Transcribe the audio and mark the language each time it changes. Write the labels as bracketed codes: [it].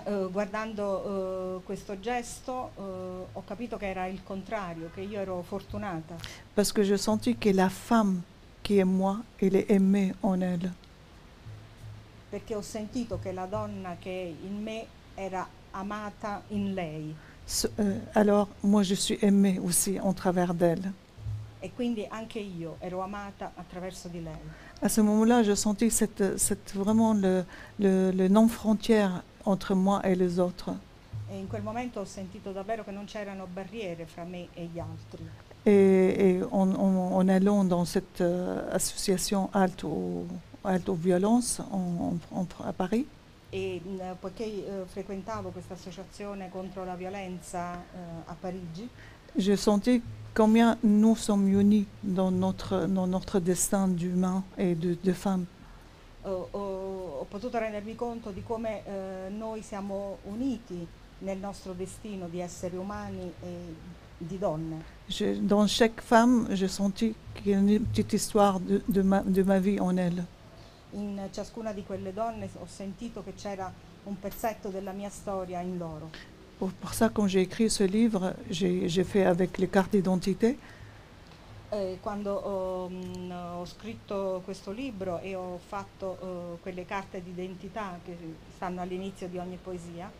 [it] guardando questo gesto, ho capito che era il contrario, che io ero fortunata. [fr] Parce que j'ai senti che la femme qui est moi, elle est aimée en elle. [it] Perché ho sentito che la donna che in me era amata in lei. [fr] Alors moi je suis aimée aussi en travers d'elle. [it] E quindi anche io ero amata attraverso di lei. [fr] À ce moment-là, j'ai senti cette vraiment le non frontière entre moi et les autres. [it] E in quel momento ho sentito davvero che non c'erano barriere fra me e gli altri. [fr] Et en allant dans cette association Alto Violence a Paris. [it] Poiché frequentavo questa associazione contro la violenza a Parigi. [fr] J'ai senti combien nous sommes unis dans notre destin d'humain et de femme. [it] Ho potuto rendermi conto di come noi siamo uniti nel nostro destino di essere umani e di donne. [fr] Dans chaque femme, j'ai senti qu'il y a une petite histoire de ma vie en elle. [it] In ciascuna di quelle donne ho sentito che c'era un pezzetto della mia storia in loro. [fr] Per ça, quand j'ai écrit ce livre, j'ai fait avec les cartes d'identité. [it] Quando ho scritto questo libro e ho fatto quelle carte d'identità che stanno all'inizio di ogni poesia.